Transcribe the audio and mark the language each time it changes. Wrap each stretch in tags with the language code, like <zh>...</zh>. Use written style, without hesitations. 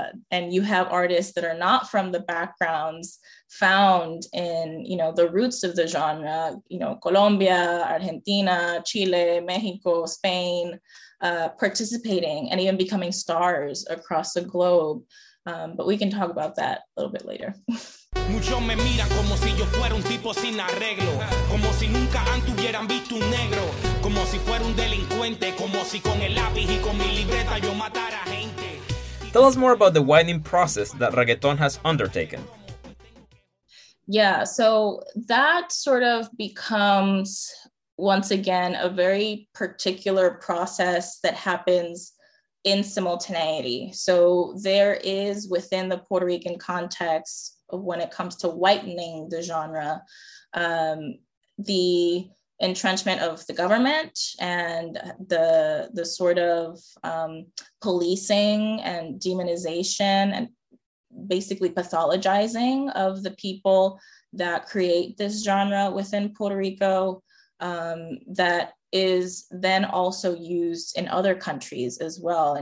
<en>And you have artists that are not from the backgrounds found in, you know, the roots of the genre, you know, Colombia, Argentina, Chile, Mexico, Spain, participating and even becoming stars across the globe. But we can talk about that a little bit later.</en> <es>Muchos me miran como si yo fuera un tipo sin arreglo, como si nunca antes hubieran visto un negro, como si fuera un delincuente, como si con el lápiz y con mi libreta yo matara gente.</es> <en>Tell us more about the widening process that reggaeton has undertaken. Yeah, so that sort of becomes, once again, a very particular process that happens in simultaneity. So there is, within the Puerto Rican context, when it comes to whitening the genre, the entrenchment of the government and the sort of policing and demonization and basically pathologizing of the people that create this genre within Puerto Rico, that is then also used in other countries as well.</en>